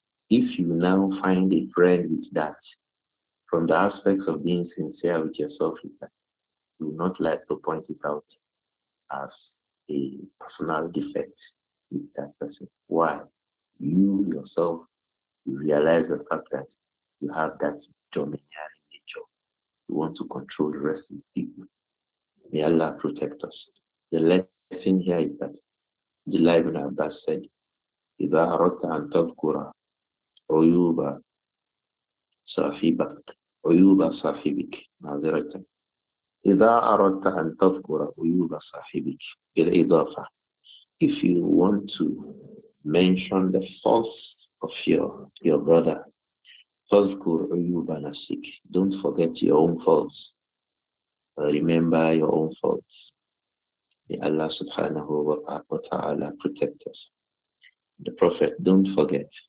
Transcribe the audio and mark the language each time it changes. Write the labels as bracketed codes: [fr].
[en] If you now find a friend with that, from the aspects of being sincere with yourself, you would not like to point it out as a personal defect with that person. Why? You yourself, you realize the fact that you have that dominating nature. You want to control the rest of the people. May Allah protect us. The lesson here is that the life of Abbas said, [ar] إِذَا أَرَدْتَ أَنْ تَذْكُرَ عُيُوبَ صَاحِبَكَ عُيُوبَ صَاحِبِكَ مَعْذِرَةً إِذَا أَرَدْتَ أَنْ تَذْكُرَ عُيُوبَ صَاحِبِكَ الْإِضَافَة. [en] If you want to mention the faults of your brother, [ar] تَذْكُرْ عُيُوبَ نَفْسِكَ. [en] Don't forget your own faults. Remember your own faults. May Allah subhanahu wa ta'ala protect us. The Prophet, don't forget.